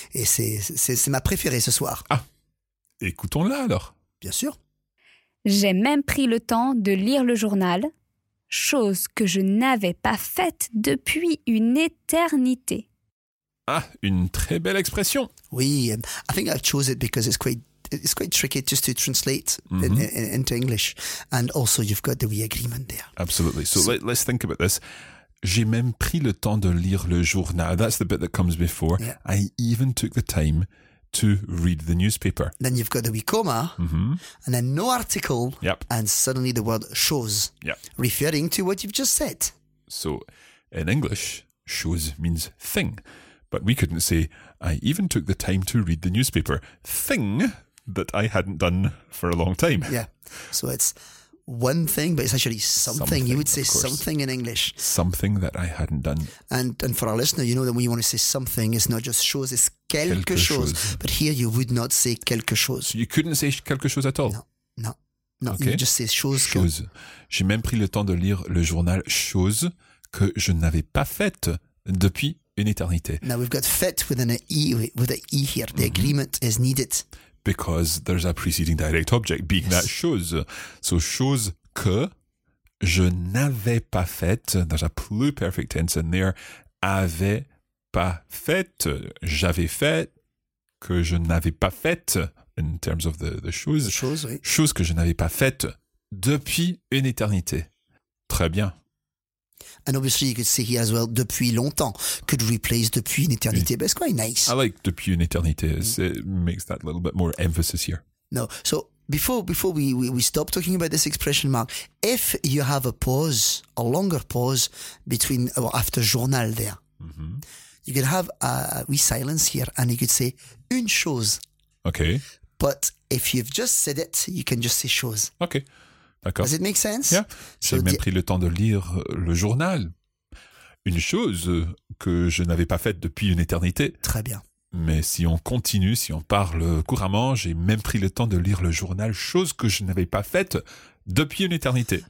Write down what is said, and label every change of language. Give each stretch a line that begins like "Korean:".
French: Et c'est ma préférée ce soir. Ah, écoutons-la alors. Bien sûr. J'ai même pris le temps de lire le journal, chose que je n'avais pas faite depuis une éternité. Ah, une très belle expression.
English: Oui, I think I chose it because it's quite tricky just to translate into English. And also, you've got the oui agreement there. Absolutely. So let's think about this.
French: J'ai même pris le temps de lire le journal.
English: That's the bit that comes before. Yeah. I even took the time to read the newspaper. Then you've got the oui comma, and then no article, yep. And suddenly the word chose, yep. Referring to what you've just said. So in English, shows means thing. But we couldn't say, I even took the time to read the newspaper. Thing that I hadn't done for a long time. Yeah. So it's one thing, but it's actually something. You would say something in English. Something that I hadn't done. And for our listener, you know that when you want to say something, it's not just chose, it's quelque chose. But here you would not say quelque chose. So you couldn't say quelque chose at all? No. Okay. You just say chose.
French: J'ai même pris le temps de lire le journal chose que je n'avais pas faite depuis une éternité.
English: Now we've got fait with an E, with an E here. The agreement is needed. Because there's a preceding direct object being that chose.
French: So chose que je n'avais pas fait.
English: There's a pluperfect tense in there.
French: Avait pas fait. J'avais fait. Que je n'avais pas fait.
English: In terms of the chose.
French: Chose que je n'avais pas fait depuis une éternité. Très bien.
English: And obviously you could say here as well, depuis longtemps, could replace
French: depuis une éternité,
English: but it's quite nice. I like depuis une éternité, it makes that little bit more emphasis here. No, so before we stop talking about this expression, Mark, if you have a pause, a longer pause between, well, after journal there, you could have a wee silence here and you could say une chose. Okay. But if you've just said it, you can just say chose.
French: Okay. D'accord.
English: Does it make sense? Yeah.
French: J'ai même pris le temps de lire le journal. Une chose que je n'avais pas faite depuis une éternité. Très bien. Mais si on continue, si on parle couramment, j'ai même pris le temps de lire le journal, chose que je n'avais pas faite depuis une éternité.